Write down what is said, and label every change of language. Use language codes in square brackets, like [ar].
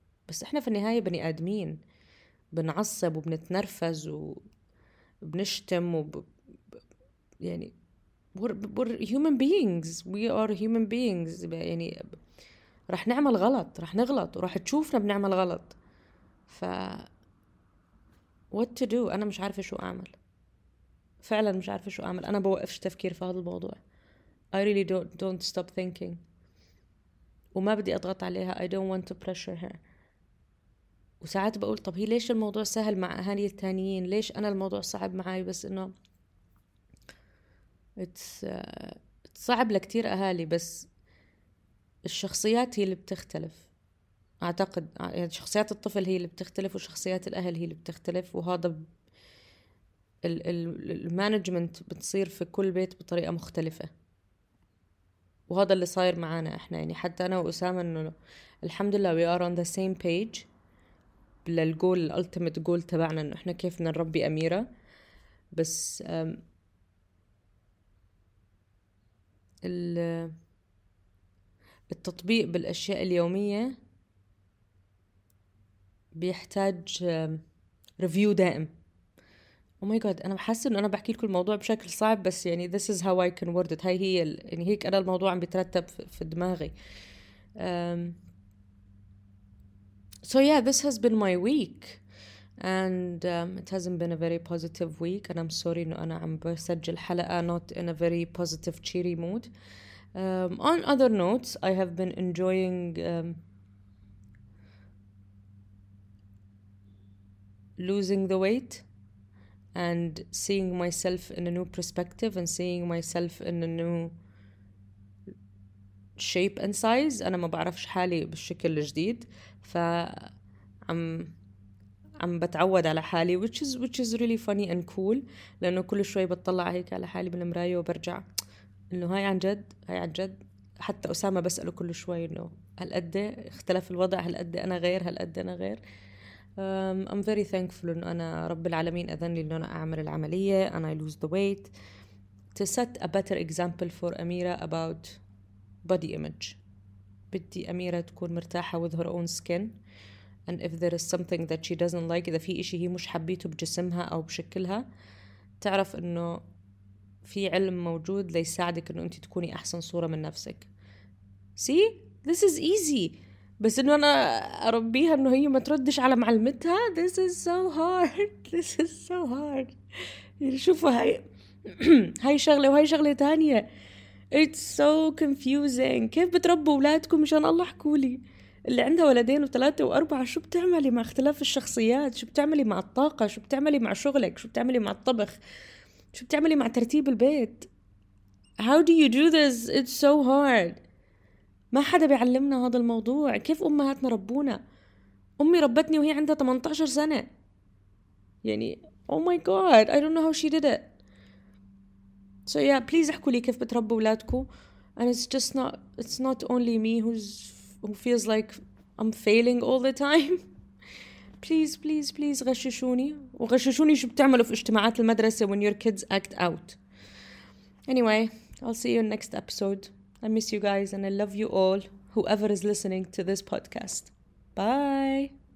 [ar] بس احنا في النهاية بني آدمين، بنعصب وبنتنرفز وبنشتم يعني [en] we're human beings, we are human beings، [ar] يعني رح نعمل غلط، رح نغلط ورح تشوفنا بنعمل غلط. ف [en] what to do، [ar] انا مش عارفه شو اعمل، فعلا مش عارفه شو اعمل، انا بوقفش تفكير في هذا الموضوع. [en] I really don't stop thinking، [ar] وما بدي اضغط عليها، [en] I don't want to pressure her. [ar] وساعات بقول طب هي ليش الموضوع سهل مع اهالي التانيين، ليش انا الموضوع صعب معي؟ بس انه it's صعب لكتير اهالي، بس الشخصيات هي اللي بتختلف أعتقد، يعني شخصيات الطفل هي اللي بتختلف وشخصيات الأهل هي اللي بتختلف، وهذا المانجمنت بتصير في كل بيت بطريقة مختلفة، وهذا اللي صاير معانا إحنا. يعني حتى أنا وأسامة إنه الحمد لله [en] we are on the same page [ar] للجول، الألتيميت جول تبعنا إنه إحنا كيف نربي أميرة. بس التطبيق بالأشياء اليومية بيحتاج ريفيو دائم. [en] oh my god, [ar] انا بحس انه انا بحكي لكم الموضوع بشكل صعب، بس يعني [en] this is how I can word it، [ar] هاي هي يعني هيك انا الموضوع عم بيترتب في دماغي. [en] So yeah, this has been my week and it hasn't been a very positive week and I'm sorry [ar] انه انا عم بسجل حلقه [en] not in a very positive cheery mood. On other notes, I have been enjoying losing the weight and seeing myself in a new perspective and seeing myself in a new shape and size. [ar] أنا ما بعرفش حالي بالشكل الجديد، فعم بتعود على حالي [en] which is really funny and cool، [ar] لأنه كل شوي بتطلع هيك على حالي بالمراية وبرجع إنه هاي عن جد، هاي عن جد. حتى أسامة بسأله كل شوي إنه هل قد اختلف الوضع، هل قد أنا غير، هل قد أنا غير. [en] I'm very thankful [ar] إن أنا رب العالمين أذن لي إن أنا أعمل العملية [en] and I lose the weight to set a better example for Amira about body image. [ar] بدي أميرة تكون مرتاحة [en] with her own skin and if there is something that she doesn't like، [ar] إذا في إشي هي مش حبيته بجسمها أو بشكلها، تعرف إنه في علم موجود ليساعدك إنه أنت تكوني أحسن صورة من نفسك. [en] See, this is easy. [ar] بس إنه أنا أربيها إنه هي ما تردش على معلمتها، [en] this is so hard, [ar] this is so hard. يعني شوفوا هاي هاي شغلة وهاي شغلة تانية، [en] it's so confusing. [ar] كيف بتربوا أولادكم؟ مشان الله حكولي، اللي عندها ولدين وثلاثة وأربعة، شو بتعملي مع اختلاف الشخصيات؟ شو بتعملي مع الطاقة؟ شو بتعملي مع شغلك؟ شو بتعملي مع الطبخ؟ شو بتعملي مع ترتيب البيت؟ [en] How do you do this? It's so hard. [ar] ما حدا بيعلمنا هذا الموضوع، كيف أمهاتنا ربونا؟ أمي ربتني وهي عندها 18 سنة، يعني [en] oh my god I don't know how she did it. So yeah, please [ar] احكوا لي كيف بتربوا أولادكم. [en] And it's just not, it's not only me who's, who feels like I'm failing all the time. Please, please, please [ar] غششوني. وغششوني شو بتعملوا في اجتماعات المدرسة [en] when your kids act out. Anyway, I'll see you in next episode. I miss you guys and I love you all, whoever is listening to this podcast. Bye.